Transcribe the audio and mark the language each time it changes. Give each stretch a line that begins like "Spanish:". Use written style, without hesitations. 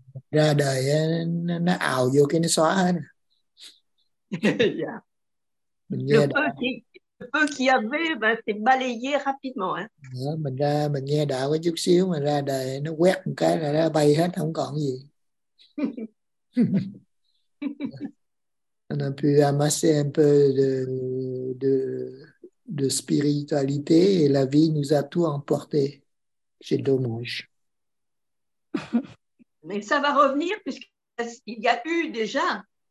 Vietnamese: Ra đời nó ào vô cái nó xóa hết. Dạ. Mình nghe đã.
French: Peu qu'il y avait, ben, c'est balayé rapidement. Hein.
Vietnamese: Ừ, mình ra, mình nghe đạo có chút xíu mà ra đời nó quét một cái là nó bay hết, không còn gì.
French: On a pu amasser un peu de spiritualité et la vie nous a tout emporté. C'est dommage. Mais ça va revenir puisqu'il y a eu déjà.